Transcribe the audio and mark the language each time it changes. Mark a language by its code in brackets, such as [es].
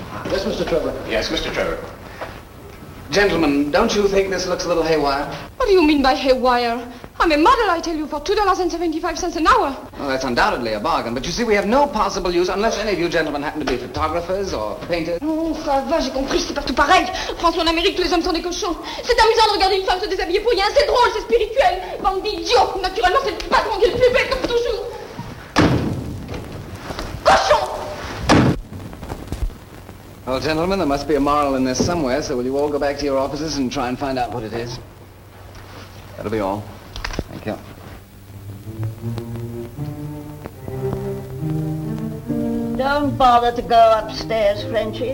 [en] Yes, Mr. Trevor. Yes, Mr. Trevor. Gentlemen, don't you think this looks a little haywire? What do you mean by haywire? I'm a model, I tell you, for $2.75 an hour. Well, that's undoubtedly a bargain. But you see, we have no possible use unless any of you gentlemen happen to be photographers or painters. [fr] Oh, ça va, j'ai compris, c'est partout pareil. France en Amérique, les hommes sont des cochons. C'est amusant de regarder une femme se déshabiller pour rien. C'est drôle, c'est spirituel. Bande d'idiots. Naturellement, c'est le patron qui est le plus bête comme toujours. Cochon! [en] Well, gentlemen, there must be a moral in this somewhere, so will you all go back to your offices and try and find out what it is? That'll be all. Thank you. Don't bother to go upstairs, Frenchie.